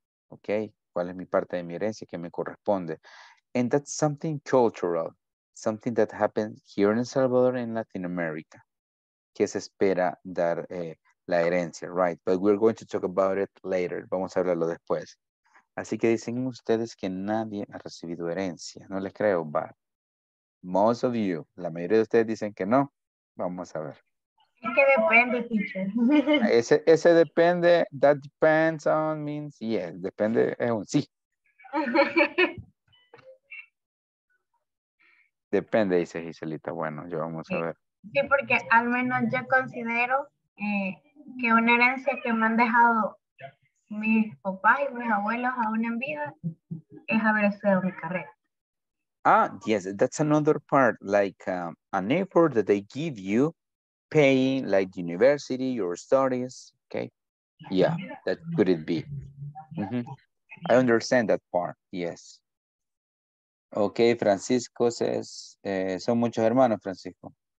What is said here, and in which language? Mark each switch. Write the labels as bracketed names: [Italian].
[Spanish] Okay, ¿cuál es mi parte de mi herencia que me corresponde? [English] And that's something cultural, something that happens here in El Salvador in Latin America. [Spanish] ¿Qué se espera dar la herencia, [English] right? But we're going to talk about it later. [Spanish] Vamos a hablarlo después. Así que dicen ustedes que nadie ha recibido herencia. No les creo, [English] but most of you, [Spanish] la mayoría de ustedes dicen que no. Vamos a ver. Es que depende, teacher. Ese depende, [English] that depends on means, yes, [Spanish] depende, es un sí. Depende, dice Giselita. Bueno, yo vamos a ver. Sí, porque al menos yo considero que una herencia que me han dejado mis papás y mis abuelos aún en vida es haber estudiado mi carrera. [English] Ah, yes, that's another part, like an effort that they give you paying like university, your studies, okay? Yeah, that could it be. Mm-hmm. I understand that part, yes. Okay, Francisco says, [Spanish] son muchos hermanos, Francisco.